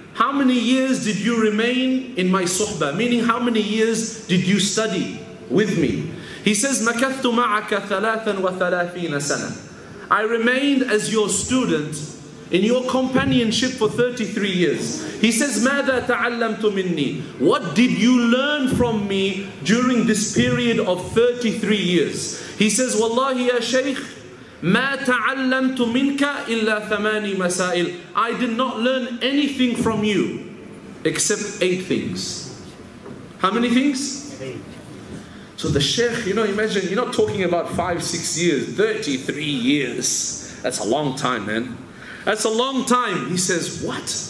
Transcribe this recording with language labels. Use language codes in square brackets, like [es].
[en] How many years did you remain in my suhba? Meaning, how many years did you study with me? He says, [ar] makathtu ma'aka thalathan wa thalathina sana. [en] I remained as your student in your companionship for 33 years. He says, [ar] ماذا تعلمت مني? [en] What did you learn from me during this period of 33 years? He says, [ar] والله يا شيخ, ما تعلمت منك إلا ثماني مسائل. [en] I did not learn anything from you except 8 things. How many things? 8. So the sheikh, you know, imagine, you're not talking about 5-6 years, 33 years. That's a long time, man. That's a long time. He says, what?